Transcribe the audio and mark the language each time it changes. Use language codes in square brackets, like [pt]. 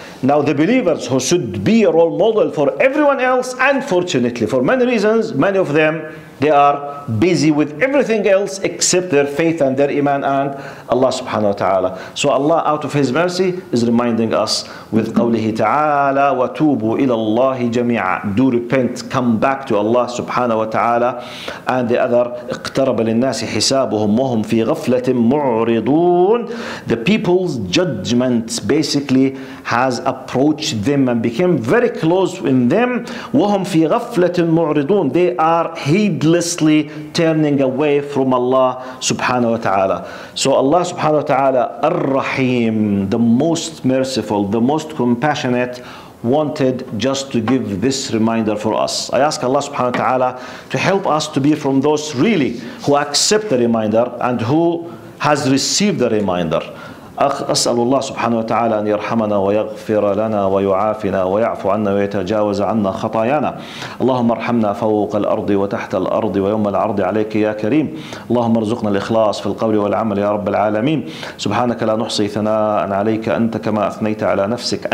[en] Now the believers who should be a role model for everyone else, unfortunately, for many reasons, many of them, they are busy with everything else except their faith and their iman and Allah subhanahu wa ta'ala. So Allah, out of His mercy, is reminding us with [ar] قوله تعالى وَتُوبُوا إِلَى اللَّهِ جَمِيعًا. [en] Do repent, come back to Allah subhanahu wa ta'ala. And the other, [ar] اقترب للناس حسابهم وهم في غفلة معرضون. [en] The people's judgment basically has approached them and became very close in them. [ar] وهم في غفلة معرضون. [en] They are heedlessly turning away from Allah subhanahu wa ta'ala. So Allah subhanahu wa ta'ala, Ar-Rahim, the most merciful, the most compassionate, wanted just to give this reminder for us. I ask Allah subhanahu wa ta'ala to help us to be from those really who accept the reminder and who has received the reminder. [ar] أسأل الله سبحانه وتعالى أن يرحمنا ويغفر لنا ويعافنا ويعفو عنا ويتجاوز عنا خطايانا. اللهم ارحمنا فوق الأرض وتحت الأرض ويوم العرض عليك يا كريم. اللهم ارزقنا الإخلاص في القول والعمل يا رب العالمين. سبحانك لا نحصي ثناء عليك أنت كما أثنيت على نفسك.